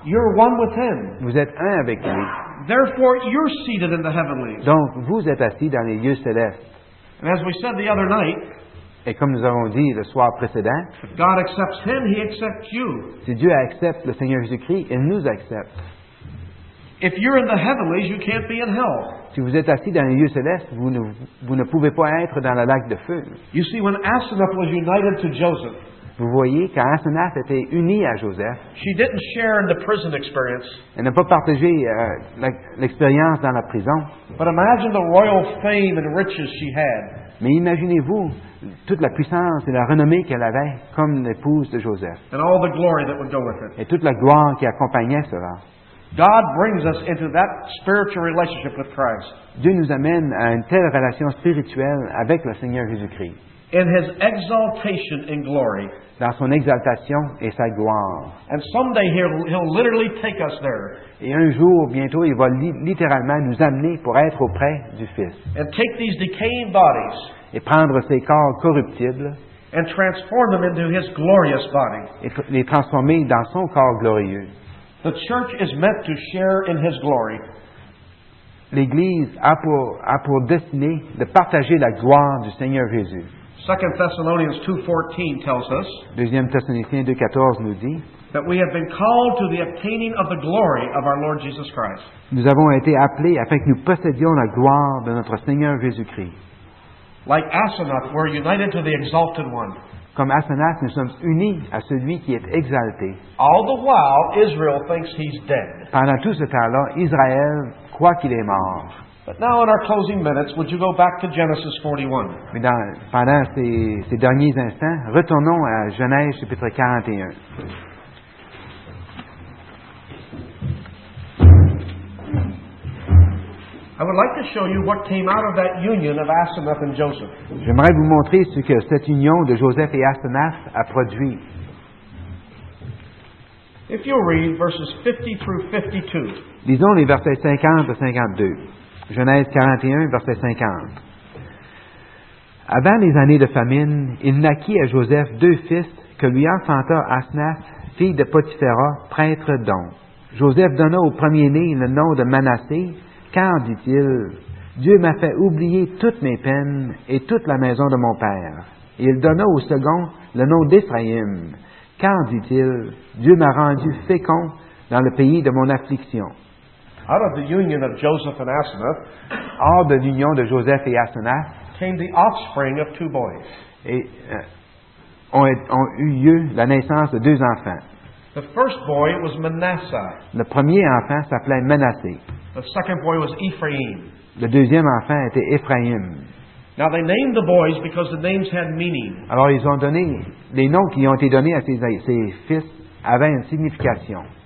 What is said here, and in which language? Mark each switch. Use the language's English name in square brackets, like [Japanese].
[English] you're one with him. [French] Vous êtes un avec lui. [English] Therefore, you're seated in the heavenlies. [French] Donc, vous êtes assis dans les lieux célestes. [English] And as we said the other night, [French] et comme nous avons dit le soir précédent, [English] if God accepts him, he accepts you. [French] Si Dieu accepte le Seigneur Jésus-Christ, il nous accepte. [English] If you're in the heavenlies, you can't be in hell. [French] Si vous êtes assis dans les lieux célestes, vous ne pouvez pas être dans la lac de feu. [English] You see, when Asenath was united to Joseph, [French] vous voyez, quand Asenath était unie à Joseph, [English] she didn't share in the prison experience, [French] elle n'a pas partagé l'expérience dans la prison. [English] But imagine the royal fame and riches she had. [French] Mais imaginez-vous toute la puissance et la renommée qu'elle avait comme l'épouse de Joseph. [English] And all the glory that would go with it. [French] Et toute la gloire qui accompagnait cela. [English] God brings us into that spiritual relationship with Christ. [French] Dieu nous amène à une telle relation spirituelle avec le Seigneur Jésus-Christ. [English] In his exaltation and glory. [French] Dans son exaltation et sa gloire. [English] And someday he'll literally take us there. [French] Et un jour, bientôt, il va littéralement nous amener pour être auprès du Fils. [English] And take these decaying bodies. [French] Et prendre ces corps corruptibles. [English] And transform them into his glorious body. [French] Et les transformer dans son corps glorieux. [English] The church is meant to share in his glory. [French] L'Église a pour destinée de partager la gloire du Seigneur Jésus. [English] 2 Thessalonians 2:14 tells us. [French] 2 Thessaloniciens 2:14 nous dit [English] that we have been called to the obtaining of the glory of our Lord Jesus Christ. [French] Nous avons été appelés afin que nous possédions la gloire de notre Seigneur Jésus-Christ. [English] Like Asenath, we're united to the exalted one. [French] Comme Asenath, nous sommes unis à celui qui est exalté. [English] All the while, Israel thinks he's dead. [French] Pendant tout ce temps-là, Israël croit qu'il est mort. [English] But now, in our closing minutes, would you go back to Genesis 41? [French] Mais pendant ces derniers instants, retournons à Genèse chapitre 41. [English] I would like to show you what came out of that union of Asenath and Joseph. [French] J'aimerais vous montrer ce que cette union de Joseph et Asenath a produit. [English] If you'll read verses 50 through 52. [French] Lisons les versets 50 à 52. Genèse 41, verset 50. Avant les années de famine, il naquit à Joseph deux fils que lui enfanta Asenath, fille de Potiphéra, prêtre d'On. Joseph donna au premier-né le nom de Manassé, car, dit-il, Dieu m'a fait oublier toutes mes peines et toute la maison de mon père. Et il donna au second le nom d'Éphraïm, car, dit-il, Dieu m'a rendu fécond dans le pays de mon affliction. [English] Out of the union of Joseph and Asenath, [French] hors de l'union de Joseph et Asenath, [English] came the offspring of two boys. [French] Et ont eu lieu la naissance de deux enfants. [English] The first boy was Manasseh. [French] Le premier enfant s'appelait Manassé. [English] The second boy was Ephraim. [French] Le deuxième enfant était Ephraim. [English] Now they named the boys because the names had meaning. [French] Alors ils ont donné les noms qui ont été donnés à ces fils avaient une signification.